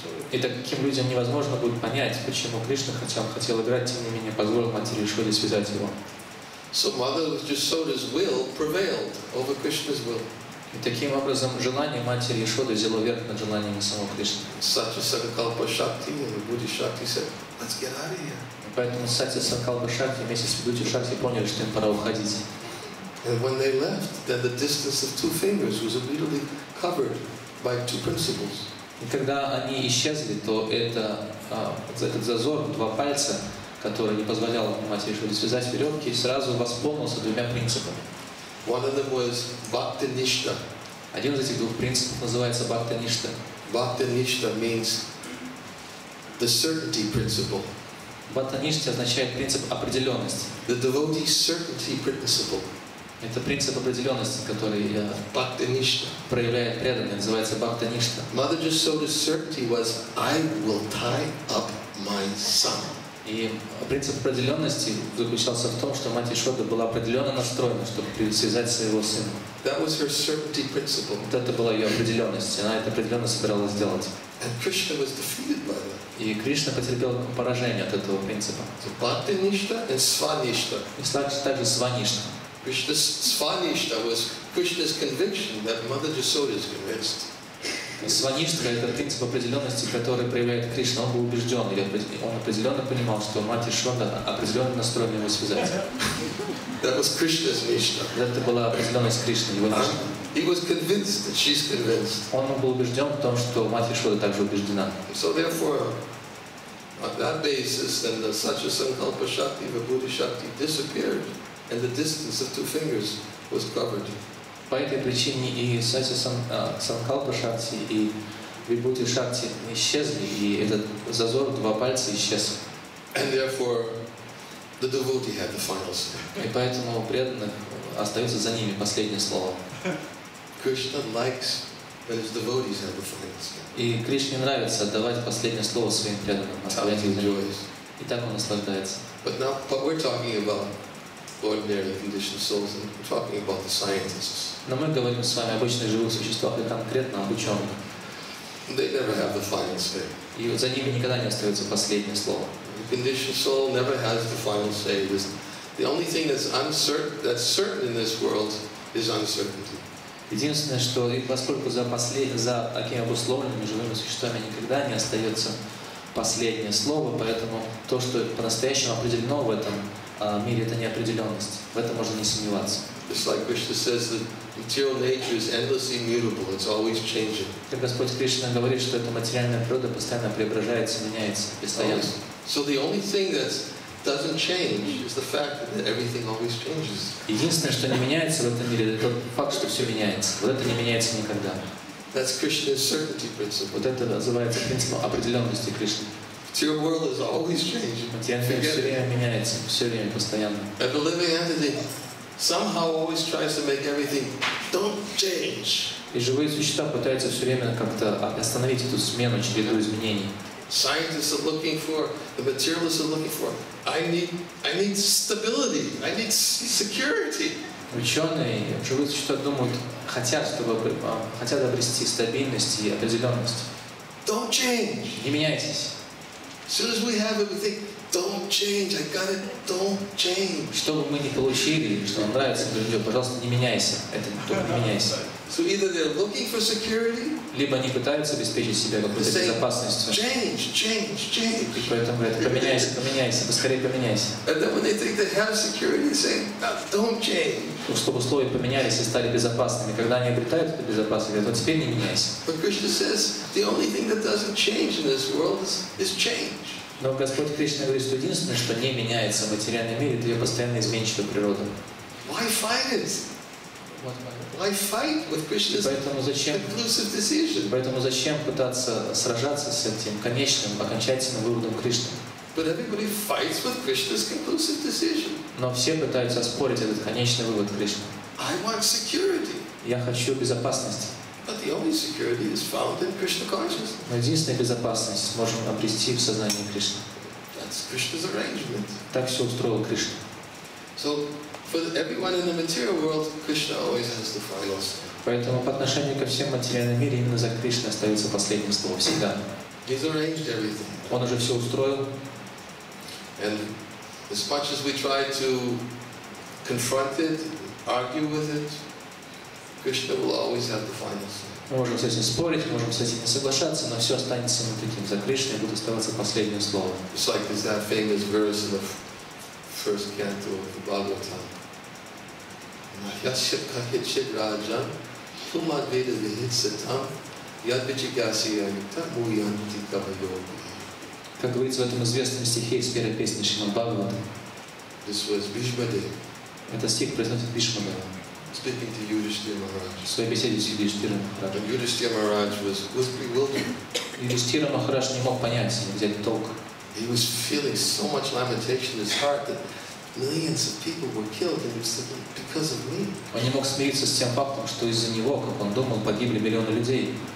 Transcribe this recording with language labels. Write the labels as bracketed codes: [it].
[ru] И таким людям невозможно будет понять, почему Кришна, хотя он хотел играть, тем не менее позволил матери Ешоде связать его. [en] So Mother Yashoda's will prevailed over Krishna's will. [ru] И таким образом желание матери Ешоды взяло верх над желанием самого Кришны. [en] Сати Санкалпа Шакти и Будди Шакти said, let's get out of here. [ru] И поэтому Сати Санкалпа Шакти вместе с Будди Шакти поняли, что им пора уходить. [en] And when they left, then the distance of two fingers was immediately covered by two principles. [ru] И когда они исчезли, то это этот зазор, два пальца, который не позволял матери Ешоде связать веревки, и сразу восполнился двумя принципами. [en] One of them was Bhakti Nishtha. [ru] Один из этих двух принципов называется Bhakti Nishtha. [en] Bhakti Nishtha means the certainty principle. [ru] Bhakti Nishtha означает принцип определенности. [en] The devotee certainty principle. [ru] Это принцип определенности, который проявляет преданный, называется Bhakti Nishtha. [en] Mother Jasoda's certainty was I will tie up my son. [ru] И принцип определенности заключался в том, что мать Ешода была определенно настроена, чтобы связать своего сына. [en] That was her certainty principle. [ru] Вот это была ее определенность, она это определенно собиралась сделать. [en] And Krishna was defeated by that. [ru] И Кришна потерпел поражение от этого принципа. [en] So Bhakti Nishtha and Svanishtha. [ru] И также Svanishtha. [en] Krishna's Svanishtha was Krishna's conviction that Mother Yashoda is convinced. [ru] Сванишка — это принцип определенности, который проявляет Кришна. Он был убежден, он определенно понимал, что мать Ешода определенно настроена его связать. [en] That was Krishna's Nishtha. [ru] Это была определенность Кришны, его Нишна. [en] He was convinced that she's convinced. [ru] Он был убежден в том, что мать Ешода также убеждена. [en] So therefore, on that basis, then the Satya Sankalpa Shakti, Vibhuti Shakti disappeared, and the distance of two fingers was covered. [ru] По этой причине и Сати Санкалпа Шакти, и Вибхути Шакти исчезли, и этот зазор два пальца исчез. [en] And therefore, the devotee had the final say. [ru] И поэтому преданный остается за ними последнее слово. [en] Krishna likes when his devotees have the final say. [ru] И Кришне нравится отдавать последнее слово своим преданным, оставлять их за ними. И так он наслаждается. [en] But now, what we're talking about ordinary conditioned souls, and we're talking about the scientists. [ru] Но мы говорим с вами обычных живых существах и конкретно об ученых. [en] They never have the final say. [ru] И вот за ними никогда не остается последнее слово. [en] The conditioned soul never has the final say. The only thing that's uncertain, that's certain in this world, is uncertainty. [ru] Единственное, что поскольку за такими обусловленными живыми существами никогда не остается последнее слово, поэтому то, что по-настоящему определено в этом мире, это неопределенность. В этом можно не сомневаться. [en] Just like Krishna says, the material nature is endlessly mutable. It's always changing. [ru] Как Господь Кришна говорит, что эта материальная природа постоянно преображается, меняется, постоянно. [en] So the only thing that doesn't change is the fact that everything always changes. [ru] Единственное, что не меняется в этом мире, это тот факт, что все меняется. Вот это не меняется никогда. [en] That's Krishna's certainty principle. [ru] Вот это называется принцип определенности Кришны. [en] Your world is always changing. [ru] Все время меняется, все время постоянно. [en] A living entity somehow always tries to make everything don't change. [ru] И живые существа пытаются все время как-то остановить эту смену, череду изменений. [en] Scientists are looking for, the materialists are looking for. I need stability. I need security. [ru] Ученые, живые существа думают, хотят обрести стабильность и определенность. [en] Don't change. [ru] Не меняйтесь. [en] As soon as we have everything, don't change. I got it. Don't change. [ru] Что бы мы ни получили, что нам нравится, говорю, пожалуйста, не меняйся. Это только не меняйся. [en] So either they're looking for security. [ru] Либо они пытаются обеспечить себя какой-то безопасностью. [en] Change, change, change. [ru] И поэтому говорят, поменяйся, поменяйся, поскорее поменяйся. [en] And then when they think they have security, they say, don't change. [ru] Ну, чтобы условия поменялись и стали безопасными, когда они обретают эту безопасность, говорят, вот теперь не меняйся. [en] But Krishna says the only thing that doesn't change in this world is change. [ru] Но Господь Кришна говорит, что единственное, что не меняется в материальном мире, это ее постоянно изменчивая природа. [en] Why fight it? Why fight with Krishna's conclusive decision? [ru] Поэтому зачем пытаться сражаться с этим конечным, окончательным выводом Кришны? [en] But everybody fights with Krishna's conclusive decision. [ru] Но все пытаются оспорить этот конечный вывод Кришны. [en] I want security. [ru] Я хочу безопасности. [en] But the only security is found in Krishna consciousness. [ru] Но единственная безопасность можем обрести в сознании Кришны. [en] That's Krishna's arrangement. [ru] Так все устроил Кришна. [en] So for everyone in the material world, Krishna always has the final say. [ru] Поэтому по отношению ко всем материальным мире именно за Кришной остается последнее слово всегда. [en] He's arranged everything. [ru] Он уже все устроил. [en] And as much as we try to confront it, argue with it, Krishna will always have the final say. [ru] Мы можем с этим спорить, можем с этим не соглашаться, но все останется вот таким. За Кришной будет оставаться последнее слово. [en] It's like this, that famous verse in the first canto of the Bhagavatam. [sa] Yasya kahit chit rajan, tumad veda vihit satam, yad vichigasya yukta muyanti kavayogi. [ru] Как говорится в этом известном стихе из первой песни Шримад Бхагаватам. [en] This was Bhishma Dev. [ru] Это стих произносит Бхишма Дева. [en] Speaking to Yudhishthira Maharaj. [ru] В своей беседе с Юдхиштхира Махарадж. [en] And Yudhishthira Maharaj was bewildered. [ru] Юдхиштхира Махарадж не мог понять, не взять толк. [en] He was feeling so much lamentation in his heart that millions of people were killed, and he said, because of me. [ru] Он не мог смириться с тем фактом, что из-за него, как он думал, погибли миллионы людей.